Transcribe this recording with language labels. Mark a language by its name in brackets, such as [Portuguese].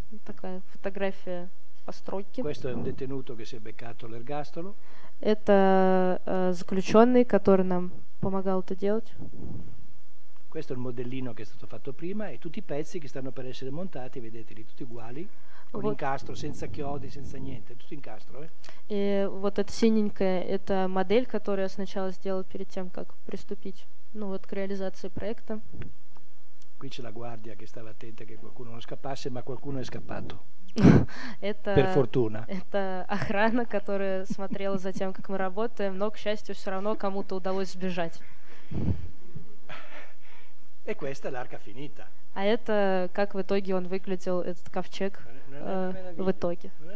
[Russian] такая фотография постройки. Это заключенный, который нам помогал это делать. [Italian] Questo è il modellino che è stato fatto prima e tutti i pezzi che stanno per essere montati, vedeteli tutti uguali, con incastro, senza chiodi, senza niente, tutto incastro. [Russian] E вот эта синенькая, это модель, которую я сначала сделал перед тем, как приступить, ну вот к реализации проекта. [Italian] Qui c'è la guardia che stava attenta che qualcuno non scappasse, ma qualcuno è scappato. Per fortuna. [Russian] Это охрана, которая смотрела за тем, как мы работаем, но, к счастью, все равно кому-то удалось сбежать. [Italian] E questa è l'arca finita. [Russian] А это как в итоге он выглядел этот ковчег в итоге?